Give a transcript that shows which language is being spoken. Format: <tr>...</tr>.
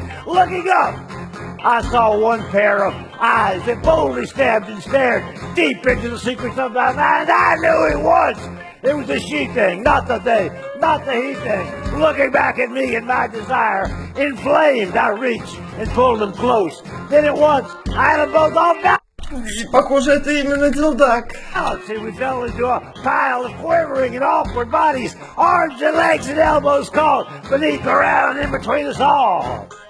<en>Looking up, I saw one pair of eyes that boldly stabbed and stared deep into the secrets of my mind. I knew it was It was the she thing, not the they, not the he thing. Looking back at me and my desire, inflamed, I reached and pulled them close. Then at once, I had them both on back.</en> <ru>Похоже, это именно дилдак.</ru> <en>See, we fell into a pile of quivering and awkward bodies, arms and legs and elbows caught beneath the round in between us all.</en>